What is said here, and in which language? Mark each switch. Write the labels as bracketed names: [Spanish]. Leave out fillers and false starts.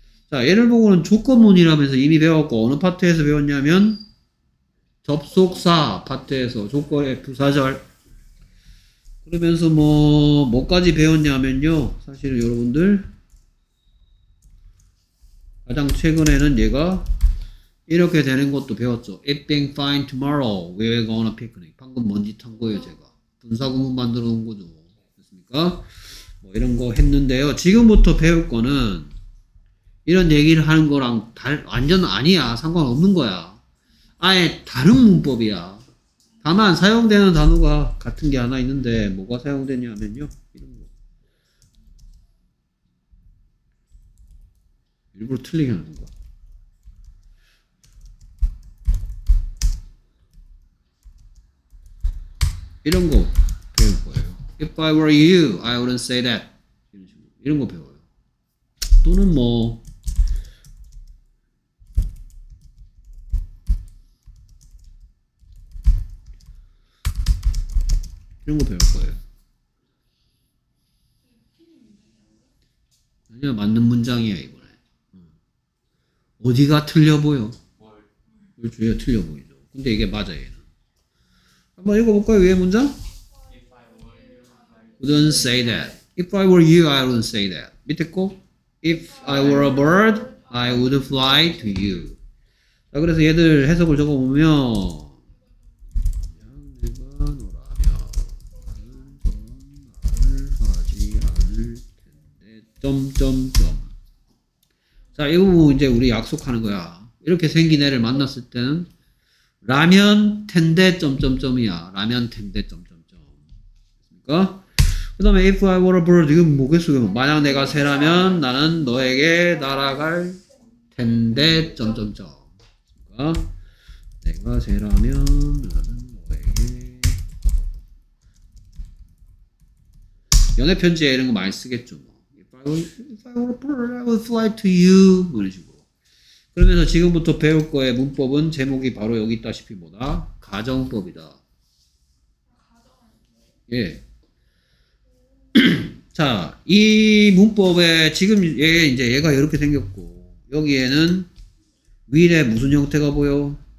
[Korean] 자, 얘를 보고는 조건문이라면서 이미 배웠고 어느 파트에서 배웠냐면 접속사 파트에서 조건의 부사절. 그러면서 뭐 뭐까지 배웠냐면요, 사실은 여러분들 가장 최근에는 얘가 이렇게 되는 것도 배웠죠. [English] It being fine tomorrow, we're going to picnic. [Korean] 방금 뭔지 탄 거예요, 제가. 분사구문 만들어 놓은 거죠. 됐습니까? 뭐 이런 거 했는데요. 지금부터 배울 거는 이런 얘기를 하는 거랑 완전 아니야. 상관없는 거야. 아예 다른 문법이야. 다만 사용되는 단어가 같은 게 하나 있는데 뭐가 사용되냐면요. 이런 거. 일부러 틀리게 하는 거. 이런 거 배울 거예요. [English] If I were you, I wouldn't say that. [Korean] 이런 식으로. 이런 거 배워요. 또는 뭐 이런 거 배울 거예요. 아니야, 맞는 문장이야 이번에. 어디가 틀려 보여? 뭘? 주위가 틀려 보이죠. 근데 이게 맞아 얘는. 한번 읽어볼까요? 위에 문장? [English] If I were you, I wouldn't say that. If I were you, I wouldn't say that. [Korean] 밑에 거? [English] If I were a bird, I would fly to you. [Korean] 자, 그래서 얘들 해석을 적어보면 만약 내가 너라면 그런 말을 하지 않을 텐데 점점점. 자, 이 부분 이제 우리 약속하는 거야. 이렇게 생긴 애를 만났을 때는 라면 텐데 점점점이야. 라면 텐데 점점점. 그니까 그 다음에 [English] if I were a bird [Korean] 이건 뭐겠어요. 만약 내가 새라면 나는 너에게 날아갈 텐데 점점점. 그니까 내가 새라면 나는 너에게. 연애 편지에 이런 거 많이 쓰겠죠. [English] If I were a bird I would fly to you. [Korean] 그러시고. 그러면서 지금부터 배울 거의 문법은 제목이 바로 여기 있다시피 뭐다? 가정법이다. 예. 자, 이 문법에 지금 얘 이제 얘가 이렇게 생겼고 여기에는 will의 무슨 형태가 보여?